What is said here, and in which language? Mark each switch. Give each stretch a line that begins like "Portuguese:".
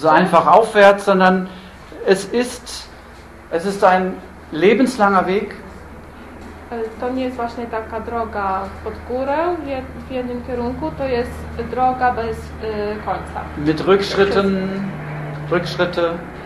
German: So einfach aufwärts, sondern es ist ein lebenslanger Weg.
Polish: To nie jest właśnie taka droga pod górę w jednym kierunku, to jest droga bez końca.
German: Mit Rückschritten, Rückschritte.